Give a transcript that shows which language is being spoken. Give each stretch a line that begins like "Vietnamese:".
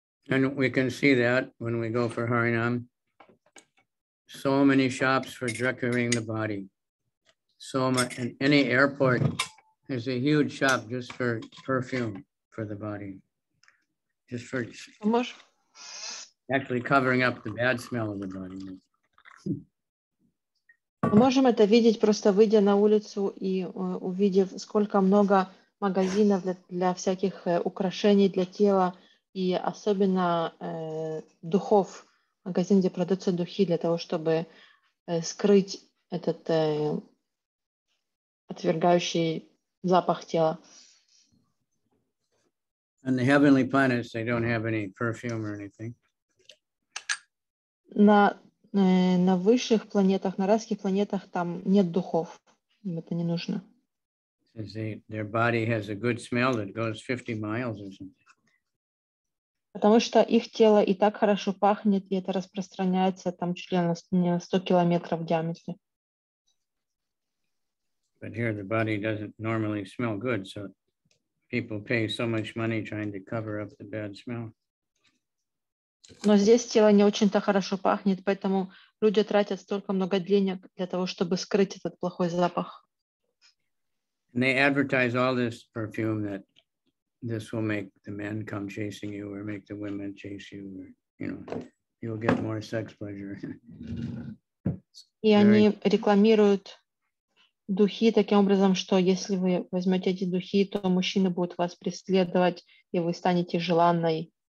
English: And we can see that when we go for Harinam. So many shops for decorating the body. So much, and any airport is a huge shop just for perfume for the body. Just for actually covering up the bad smell of the body.
Russian: Мы можем это видеть, просто выйдя на улицу и увидев, сколько много магазинов для всяких украшений для тела, и особенно духов, магазин, где продаются духи для того, чтобы скрыть этот отвергающий запах тела.
English: And the heavenly planets, they don't have any perfume or anything.
Russian: На высших планетах, на райских планетах, там нет духов, им это не нужно.
English: Their body has a good smell that goes 50 miles or something.
Russian: Потому что их тело и так хорошо пахнет, и это распространяется там чуть ли не на 100 километров в диаметре.
English: But here the body doesn't normally smell good, so people pay so much money trying to cover up the bad smell.
Russian: Но здесь тело не очень-то хорошо пахнет, поэтому люди тратят столько много денег для того, чтобы скрыть этот плохой запах.
English: And they advertise all this perfume that this will make the men come chasing you or make the women chase you, or, you know, you'll get more sex pleasure.
Russian: И они рекламируют духи таким образом, что если вы возьмете эти духи, то мужчины будут вас преследовать, и вы станете желанной.